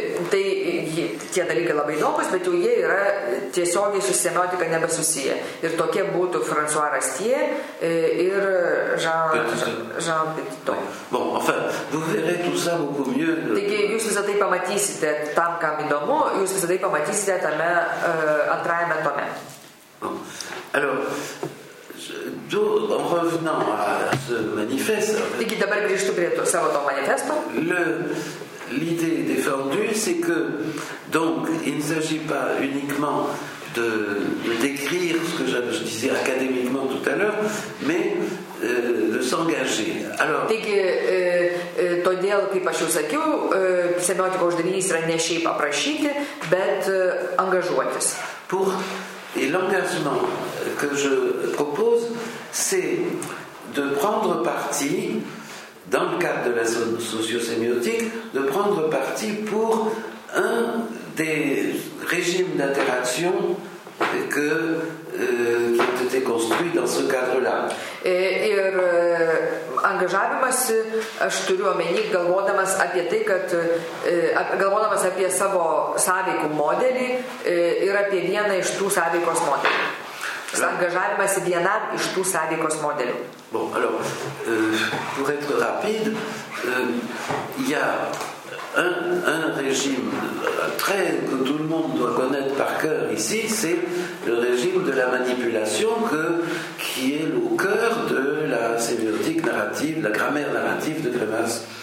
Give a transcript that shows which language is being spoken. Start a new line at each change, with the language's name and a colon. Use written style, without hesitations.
Lithuanian: Tai tie dalykai labai įdomus, bet jau jie yra tiesiogiai su semiotika nebesusiję. Ir tokie būtų François Rastier ir Jean Petitot.
French: Bon, enfin, vous verrez tout ça beaucoup mieux.
Lithuanian: Taigi, jūs visą tai pamatysite tam, kam įdomu, jūs visą tai pamatysite tame antrajame tome.
French: Alors, en revenant à ce manifeste.
Lithuanian: Taigi, dabar grįžtu prie savo to manifesto.
French: L'idée défendue, c'est que donc il ne s'agit pas uniquement de décrire ce que je disais académiquement tout à l'heure, mais de s'engager. Alors.
Lithuanian: Taigi, todėl, kaip aš jau sakiau, semiotiko uždavinys yra ne šiaip aprašyti, bet angažuotis.
French: Pour et l'engagement que je propose, c'est de prendre parti. Dans le cadre de la zone socio-sémiotique, de prendre parti pour un des régimes d'interaction que, qui ont été construits dans ce cadre-là.
Lithuanian: Ir angažavimas, aš turiu omeny, galvodamas apie tai, kad galvodamas apie savo sąveikų modelį ir apie vieną iš tų sąveikos modelių. Angažavimas vienam iš tų sąveikos modelių.
French: Bon, alors, pour être rapide, il y a un régime très que tout le monde doit connaître par cœur ici, c'est le régime de la manipulation qui est au cœur de la sémiotique narrative, la grammaire narrative de Grimas.